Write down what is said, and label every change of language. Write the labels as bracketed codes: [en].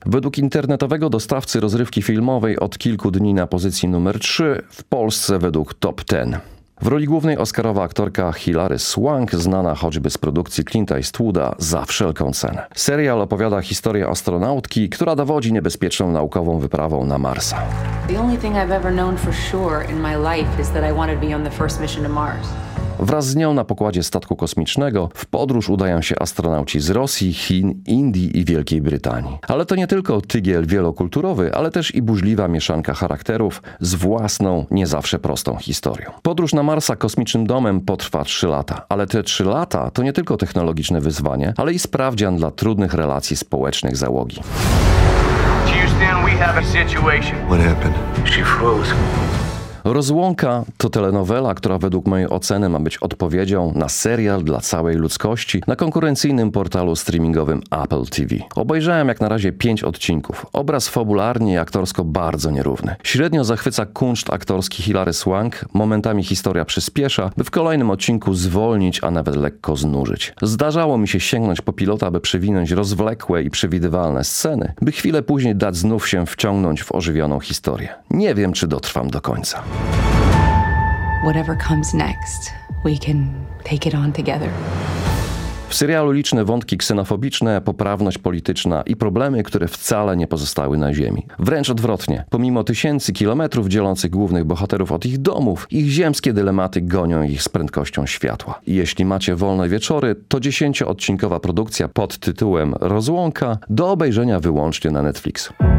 [pl] Według internetowego dostawcy rozrywki filmowej od kilku dni na pozycji numer 3, w Polsce według top 10. W roli głównej oscarowa aktorka Hilary Swank, znana choćby z produkcji Clinta Eastwooda Za wszelką cenę. Serial opowiada historię astronautki, która dowodzi niebezpieczną naukową wyprawą na Marsa. [en] The only thing I've ever known for sure in my life is that I wanted to be on the first mission to Mars. [pl] Wraz z nią na pokładzie statku kosmicznego w podróż udają się astronauci z Rosji, Chin, Indii i Wielkiej Brytanii. Ale to nie tylko tygiel wielokulturowy, ale też i burzliwa mieszanka charakterów z własną, nie zawsze prostą historią. Podróż na Marsa kosmicznym domem potrwa 3 lata, ale te 3 lata to nie tylko technologiczne wyzwanie, ale i sprawdzian dla trudnych relacji społecznych załogi. [en] Houston, we have a situation. What happened? She froze. [pl] Rozłąka to telenowela, która według mojej oceny ma być odpowiedzią na serial dla całej ludzkości na konkurencyjnym portalu streamingowym Apple TV. Obejrzałem jak na razie 5 odcinków. Obraz fabularnie i aktorsko bardzo nierówny. Średnio zachwyca kunszt aktorski Hilary Swank, momentami historia przyspiesza, by w kolejnym odcinku zwolnić, a nawet lekko znużyć. Zdarzało mi się sięgnąć po pilota, by przewinąć rozwlekłe i przewidywalne sceny, by chwilę później dać znów się wciągnąć w ożywioną historię. Nie wiem, czy dotrwam do końca. [en] Whatever comes next, we can take it on together. [pl] W serialu liczne wątki ksenofobiczne, poprawność polityczna i problemy, które wcale nie pozostały na Ziemi. Wręcz odwrotnie. Pomimo tysięcy kilometrów dzielących głównych bohaterów od ich domów, ich ziemskie dylematy gonią ich z prędkością światła. I jeśli macie wolne wieczory, to 10-odcinkowa produkcja pod tytułem Rozłąka do obejrzenia wyłącznie na Netflix.